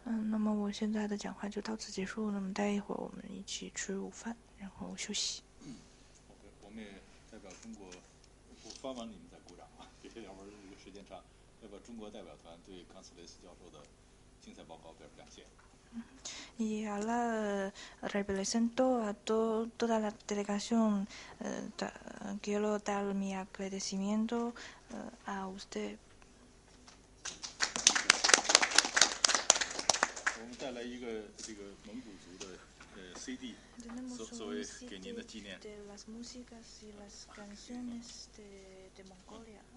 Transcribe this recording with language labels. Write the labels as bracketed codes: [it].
[zh] 那么我现在的讲话就到此结束，那么待一会儿我们一起吃午饭然后休息。代表中国，我发完你们再鼓掌啊，别要不然这个时间长。代表中国代表团对冈萨雷斯教授的精彩报告表示感谢。 [es] Y ahora represento a toda la delegación, quiero dar mi agradecimiento a usted. [zh] 我们带来一个这个蒙古族的。 [en] CD, [es] tenemos un CD de las músicas y las canciones de Mongolia.